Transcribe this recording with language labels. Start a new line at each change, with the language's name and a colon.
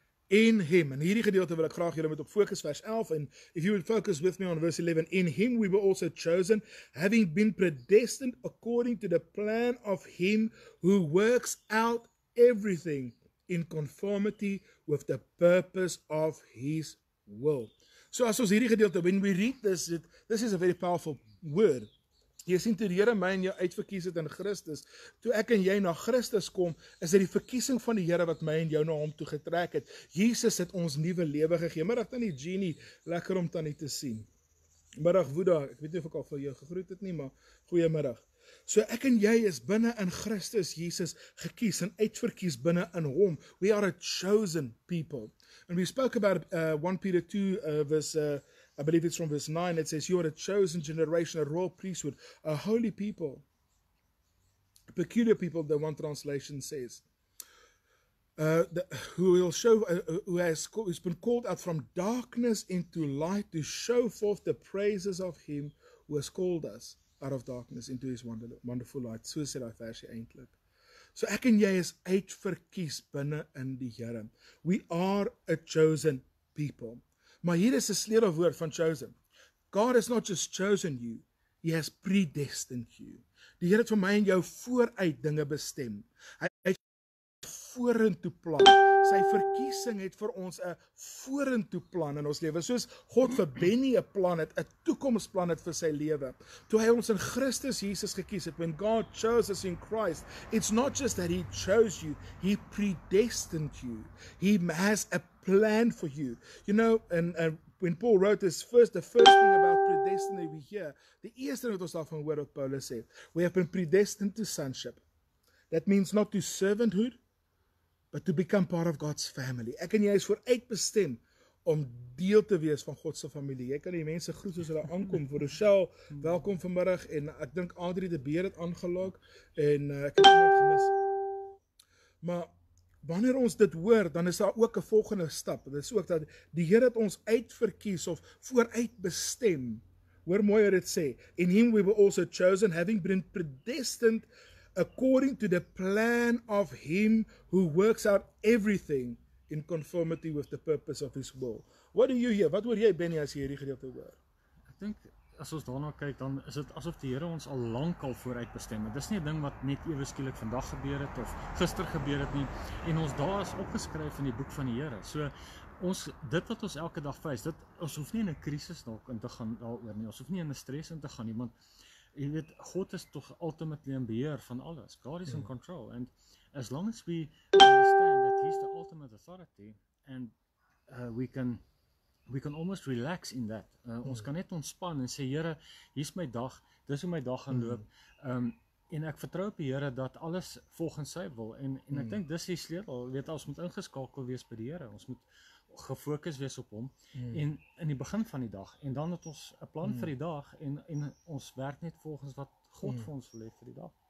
English: In him,
Afrikaans: en hierdie gedeelte wil ek graag julle met op focus vers 11,
English: and if you would focus with me on verse 11, in him we were also chosen, having been predestined according to the plan of him who works out everything in conformity with the purpose of his will. So
Afrikaans: as ons hierdie gedeelte,
English: when we read this, this is a very powerful word.
Afrikaans: Jy sien, toe die Here my en jou uitverkies het in Christus, toe ek en jy na Christus kom, is dit die verkiesing van die Here wat my en jou na hom toe getrek het. Jesus het ons nuwe lewe gegee. Middag tannie Jeannie, lekker om tannie te sien. Middag Woeda, ek weet nie of ek al vir jou gegroet het nie, maar goeiemiddag. So ek en jy is binne in Christus Jesus gekies en uitverkies binne in hom.
English: We are a chosen people. And we spoke about 1 Peter 2 verse I believe it's from verse 9, it says, you are a chosen generation, a royal priesthood, a holy people, a peculiar people, the one translation says, who has been called out from darkness into light to show forth the praises of him who has called us out of darkness into his wonderful light. So said I fashion eindelijk.
Afrikaans: So ek en jy is uitverkies binne in die Here.
English: We are a chosen people.
Afrikaans: Maar hier is 'n sleutelwoord van
English: chosen. God has not just chosen you, he has predestined you.
Afrikaans: Die Here het vir my en jou vooruit dinge bestem. Hy het vorentoe plan. Sy verkiesing het vir ons 'n vorentoe plan in ons lewe. Soos God vir Benny 'n plan het, 'n toekomsplan het vir sy lewe. Toe hy ons in Christus Jesus gekies het,
English: when God chose us in Christ, it's not just that he chose you, he predestined you. He has a plan for you. You know, and when Paul wrote this, the first thing about predestiny we hear, the
Afrikaans: eerste wat ons daarvan hoor wat Paulus sê,
English: we have been predestined to sonship. That means not to servanthood, but to become part of God's family.
Afrikaans: Ek en jy is vooruit bestem om deel te wees van God se familie. Jy kan die mense groet as hulle aankom. Vir Rochelle, welkom vanmiddag, en ek dink Adrie de Beer het aangelok, en ek het hom gemis. Maar wanneer ons dit hoor, dan is daar ook 'n volgende stap. Dit is ook dat die Here het ons uitverkies of vooruit bestem. Hoor mooi wat dit sê.
English: In him we were also chosen, having been predestined according to the plan of him who works out everything in conformity with the purpose of his will. What do you hear?
Afrikaans: Wat hoor jy, Benny, as jy hierdie gedeelte hoor? Ek dink, as ons daarna kyk, dan is het asof die Here ons al lank al vooruit bestem. Dit is nie 'n ding wat net ewe skielik vandag gebeur het of gister gebeur het nie. En ons daar is opgeskryf in die boek van die Here. So, ons, dit wat ons elke dag vrees, dit, ons hoef nie in 'n krisis dalk in te gaan daaroor nie. Ons hoef nie in 'n stres in te gaan nie, want jy weet, God is toch ultimately in beheer van alles.
English: God is in control. And as long as we understand that he's the ultimate authority, and we can almost relax in that.
Afrikaans: Ons kan net ontspan en sê, Here, hier is my dag, dis hoe my dag gaan loop. en ek vertrou op die Here dat alles volgens sy wil, en ek dink dis die sleutel, weet, ons moet ingeskakel wees by die Here, ons moet gefokus wees op hom, en in die begin van die dag, en dan het ons 'n plan vir die dag, en ons werk net volgens wat God vir ons wil hê vir die dag.